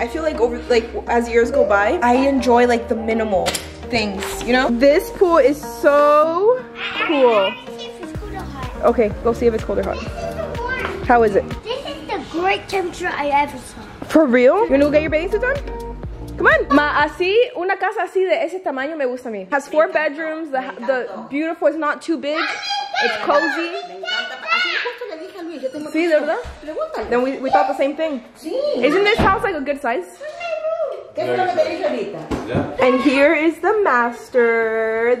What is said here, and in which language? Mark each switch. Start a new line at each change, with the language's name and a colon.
English: I feel like over, like as years go by, I enjoy like the minimal things, you know? This pool is so cool. Okay, go see if it's cold or hot. How is it? This is the great temperature I ever saw. For real? You wanna go get your bathing suit done? Come on.
Spanish: Ma, así, una casa así de ese tamaño me gusta a mí.
English: Has 4 bedrooms, the beautiful, it's not too big. It's cozy.
Spanish: Me encanta. Sí, de verdad?
English: Then we thought the same thing. Isn't this house like a good size? And here is the master.